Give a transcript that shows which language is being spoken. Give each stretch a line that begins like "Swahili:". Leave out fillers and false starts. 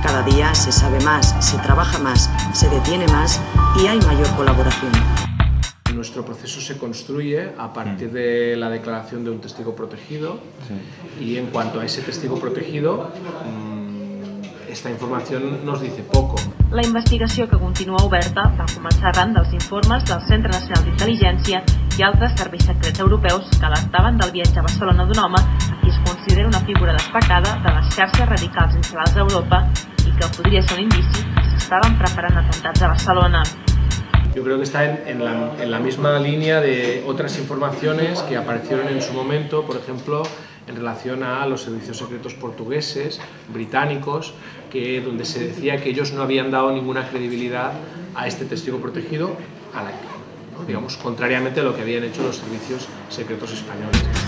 Spanish: Cada día se sabe más, se trabaja más, se detiene más y hay mayor colaboración. Nuestro proceso se construye a partir de la declaración de un testigo protegido, sí. Y en cuanto a ese testigo protegido, esta información nos dice poco.
Catalan: La investigació que continua oberta va començar arran dels informes del Centre Nacional d'Intel·ligència i altres serveis secrets europeus que alertaven del viatge a Barcelona d'un home a qui es considera una figura destacada de les xarxes radicals instal·lades a Europa i que podria ser un indici que s'estaven preparant atemptats a Barcelona.
Spanish: Yo creo que está en la misma línea de otras informaciones que aparecieron en su momento, por ejemplo, en relación a los servicios secretos portugueses, británicos, que donde se decía que ellos no habían dado ninguna credibilidad a este testigo protegido, digamos, contrariamente a lo que habían hecho los servicios secretos españoles.